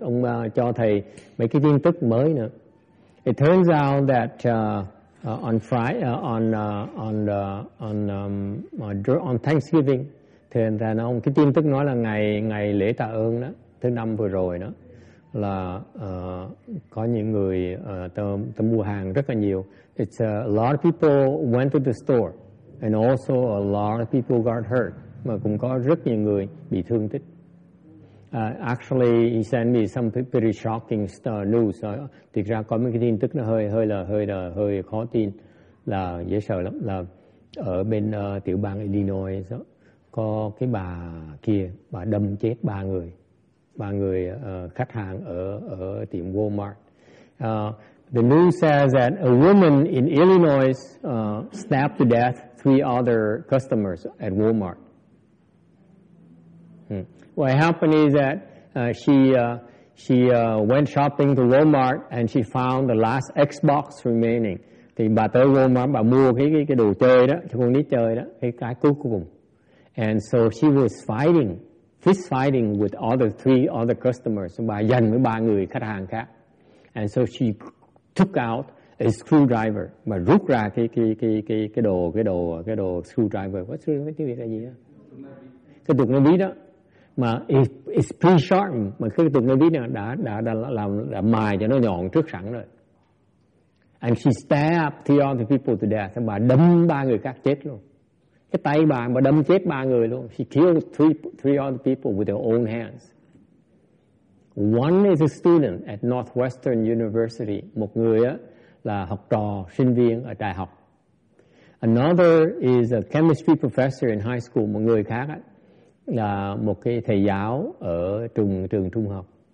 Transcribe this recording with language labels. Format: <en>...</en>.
<vi>Ông cho thầy mấy cái tin tức mới nữa.</vi> <en>It turns out that on Thanksgiving.</en> <vi>Thì thầy nói ông cái tin tức nói là ngày lễ tạ ơn đó, thứ năm vừa rồi đó, là có những người ta mua hàng rất là nhiều.</vi> <en>It's a lot of people went to the store and also a lot of people got hurt.</en> <vi>Mà cũng có rất nhiều người bị thương tích.</vi> <en>Actually, he sent me some pretty shocking news.</en> <vi>Thực ra có mấy cái tin tức nó hơi khó tin, là dễ sợ lắm. Là ở bên tiểu bang Illinois đó, có cái bà kia, bà đâm chết ba người khách hàng ở tiệm Walmart.</vi> <en>The news says that a woman in Illinois stabbed to death three other customers at Walmart. What happened is that she went shopping to Walmart and she found the last Xbox remaining.</en> <vi>Thì bà tới Walmart, bà mua cái đồ chơi đó cho con nít chơi đó, cái cuối cùng.</vi> <en>And so she was fist fighting with three other customers.</en> <vi>Bà giành với ba người khách hàng khác.</vi> <en>And so she took out a screwdriver.</en> <vi>Bà rút ra cái đồ screwdriver.</vi> <en>What's the word?</en> <vi>Tiếng Việt là gì? Cái tục ngôn ví đó. Mà</vi> <en>it's pretty sharp.</en> <vi>Mà cái tục ngôn ví đó đã mài cho nó nhọn trước sẵn rồi.</vi> <en>And she stabbed three other people to death.</en> <vi>Bà đâm ba người khác chết luôn. Cái tay bà mà đâm chết ba người luôn.</vi> <en>She killed three other people with her own hands. One is a student at Northwestern University.</en> <vi>Một người á là học trò sinh viên ở đại học.</vi> <en>Another is a chemistry professor in high school.</en> <vi>Một người khác á là một cái thầy giáo ở trường trung học.</vi>